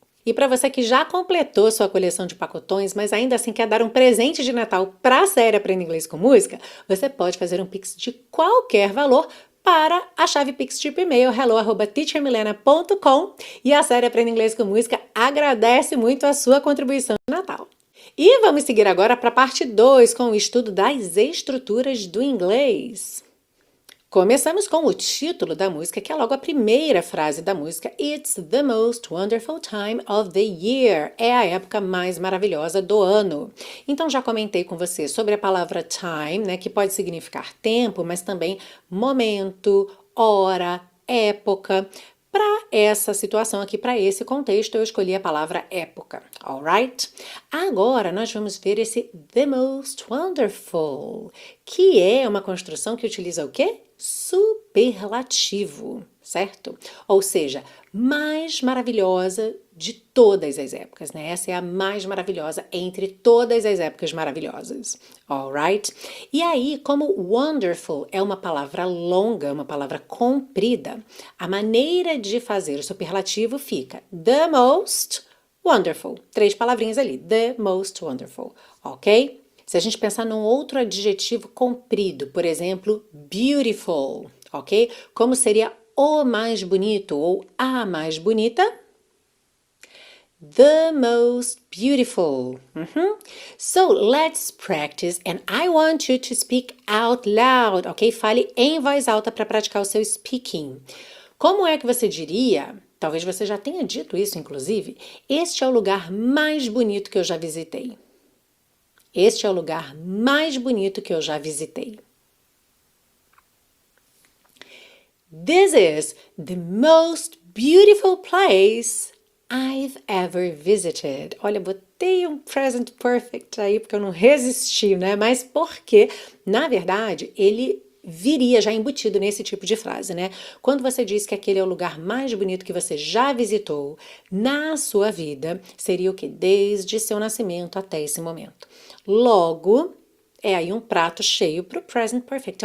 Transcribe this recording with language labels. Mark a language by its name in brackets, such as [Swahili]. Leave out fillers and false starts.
[Portuguese] E para você que já completou sua coleção de pacotões, mas ainda assim quer dar um presente de Natal para a série Aprenda Inglês com Música, você pode fazer um Pix de qualquer valor para a chave Pix tipo e-mail hello@teachermilena.com e a série Aprenda Inglês com Música agradece muito a sua contribuição de Natal. E vamos seguir agora para a parte 2 com o estudo das estruturas do inglês. Começamos com o título da música, que é logo a primeira frase da música. [English] It's the most wonderful time of the year. [Portuguese] É a época mais maravilhosa do ano. Então, já comentei com você sobre a palavra time, né, que pode significar tempo, mas também momento, hora, época. Para essa situação aqui, para esse contexto, eu escolhi a palavra época. All right? Agora nós vamos ver esse the most wonderful, que é uma construção que utiliza o quê? Superlativo, certo? Ou seja, mais maravilhosa de todas as épocas, né? Essa é a mais maravilhosa entre todas as épocas maravilhosas. All right? E aí, como wonderful é uma palavra longa, uma palavra comprida, a maneira de fazer o superlativo fica the most wonderful. Três palavrinhas ali, the most wonderful, ok? Se a gente pensar num outro adjetivo comprido, por exemplo, beautiful, ok? Como seria o mais bonito ou a mais bonita? [English] The most beautiful. So let's practice and I want you to speak out loud, ok? [Portuguese] Fale em voz alta para praticar o seu speaking. Como é que você diria? Talvez você já tenha dito isso, inclusive. Este é o lugar mais bonito que eu já visitei. Este é o lugar mais bonito que eu já visitei. [English] This is the most beautiful place I've ever visited. [Portuguese] Olha, botei um present perfect aí porque eu não resisti, né? Mas porque, na verdade, ele viria já embutido nesse tipo de frase, né? Quando você diz que aquele é o lugar mais bonito que você já visitou na sua vida, seria o quê? Desde seu nascimento até esse momento. Logo, é aí um prato cheio para o present perfect.